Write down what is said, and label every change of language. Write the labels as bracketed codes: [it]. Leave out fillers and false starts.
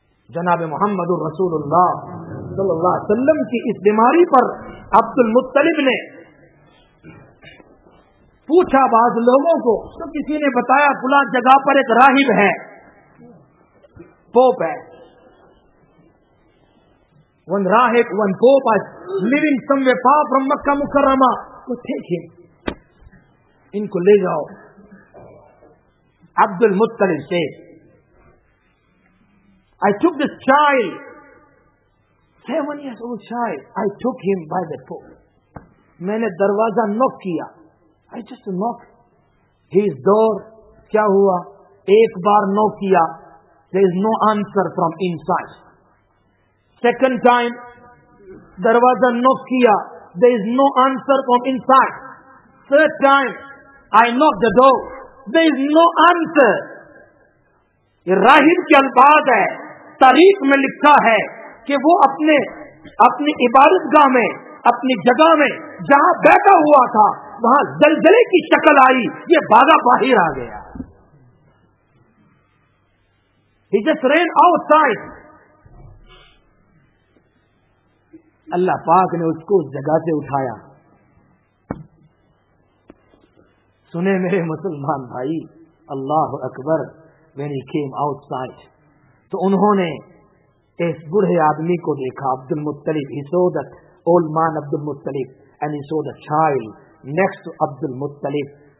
[ur] جناب محمد رسول اللہ صلی اللہ علیہ وسلم کی اس بیماری پر عبد المطلب نے پوچھا بعض لوگوں کو، تو کسی نے بتایا فلاں جگہ پر ایک راہب ہے، پوپ ہے، [en] one راہب one pope living some way far from [ur] مکہ مکرمہ، تو ٹھیک ہے ان کو لے جاؤ عبد المطلب سے. [en] I took this child, 7 years old child, I took him by the foot. [ur] میں نے دروازہ نوک کیا. [en] I just knocked his door. [ur] کیا ہوا؟ ایک بار نوک کیا, [en] there is no answer from inside. Second time, [ur] دروازہ نوک کیا, [en] there is no answer from inside. Third time, I knocked the door, there is no answer. [ur] یہ راہب کے الفاظ ہے, تاریخ میں لکھا ہے کہ وہ اپنی عبادت گاہ میں, اپنی جگہ میں جہاں بیٹھا ہوا تھا, وہاں زلزلے کی شکل آئی, یہ بادا باہر آ گیا. [en] He just ran outside. [ur] اللہ پاک نے اس کو اس جگہ سے اٹھایا. سنے میرے مسلمان بھائی, اللہ اکبر, [en] when he came outside, [ur] تو انہوں نے اس بوڑھے آدمی کو دیکھا, عبد المطلب. [en] He saw that old man Abd al Muttalib and he saw the child next to Abd al Muttalib.